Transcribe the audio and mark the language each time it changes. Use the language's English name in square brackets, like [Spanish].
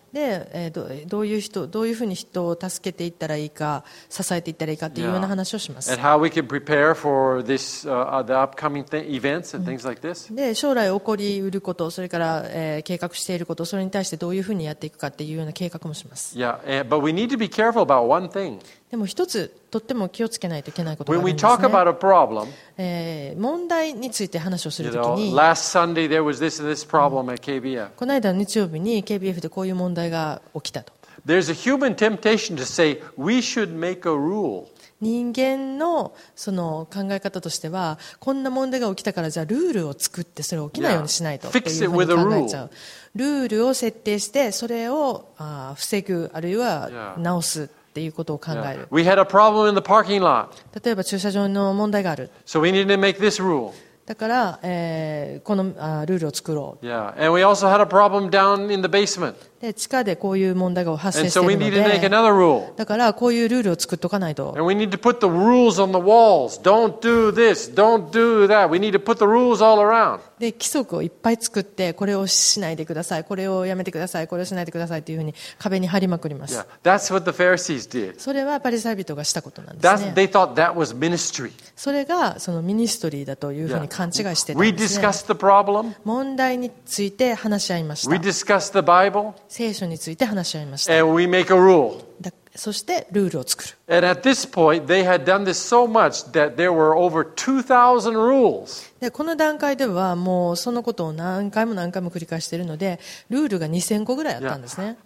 [Japanese] で、どういう人、どういうふうに人を助けていったらいいか、支えていったらいいかっていうような話をします。 [English] And how we can prepare for this, the upcoming events and things like this. [Japanese] で、将来起こりうること、それから、計画していること、それに対してどういうふうにやっていくかっていうような計画もします。 [English] Yeah, but we need to be careful about one thing. [Japanese] でも一つとっても気をつけないといけないことがあるんですね。 [English] When we talk about a problem, [Japanese] 問題について話をするときに、 [English] you know, last Sunday there was this and this problem at KBF. [Japanese] この間の日曜日に KBF でこういう問題が起きたと。 [English] There's a human temptation to say we should make a rule. [Japanese] 人間のその考え方としては、こんな問題が起きたからじゃあルールを作ってそれを起きないようにしないと。 [English] Fix it with a rule. [Japanese] ルールを設定してそれを防ぐあるいは直すっていうことを考える。 [English] We had a problem in the parking lot. [Japanese] 例えば駐車場の問題がある。 [English] So we need to make this rule. [Japanese] だから、このルールを作ろう。 [English] Yeah. And we also had a problem down in the basement. [Japanese] で、地下でこういう問題が発生しているので、 [English] And so we need to make another rule. [Japanese] だからこういうルールを作っとかないと。 [English] And we need to put the rules on the walls. Don't do this. Don't do that. We need to put the rules all around. [Japanese] で、規則をいっぱい作って、これをしないでください。これをやめてください。これをしないでください。というふうに壁に貼りまくります。 Yeah. [English] That's what the Pharisees did. [Japanese] それはパリサイ人がしたことなんですね。 [English] They thought that was ministry. [Japanese] それがそのミニストリーだというふうに、 [English] yeah. [Japanese] 勘違いしてたんですね。問題について話し合いました。 [English] We discussed the Bible. [Japanese] 聖書について話し合いました。 [English] And we make a rule. [Japanese] そしてルールを作る。 [English] And at this point, they had done this so much that there were over 2,000 rules. [Japanese] で、この段階ではもうそのことを何回も何回も繰り返しているので、ルールが2000個ぐらいあったんですね。